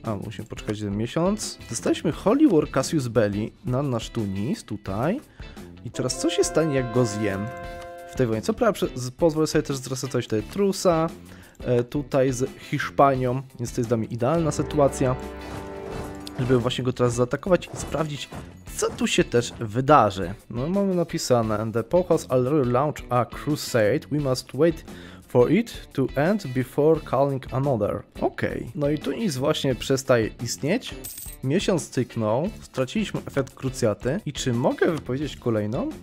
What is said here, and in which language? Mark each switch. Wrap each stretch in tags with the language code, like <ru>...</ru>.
<pl>A, musimy poczekać jeden miesiąc. Dostaliśmy Holy War Cassius Belli na nasz Tunis, tutaj. I teraz co się stanie, jak go zjem w tej wojnie? Co prawda, pozwolę sobie też zresetować tutaj trusa, tutaj z Hiszpanią, więc to jest dla mnie idealna sytuacja, żeby właśnie go teraz zaatakować i sprawdzić, co tu się też wydarzy. No, mamy napisane,</pl> <en>the Pope has already launched a crusade, we must wait for it to end before calling another. Okej, okay.</en> <pl>No i tu nic właśnie przestaje istnieć. Miesiąc cyknął, straciliśmy efekt krucjaty i czy mogę wypowiedzieć kolejną?</pl>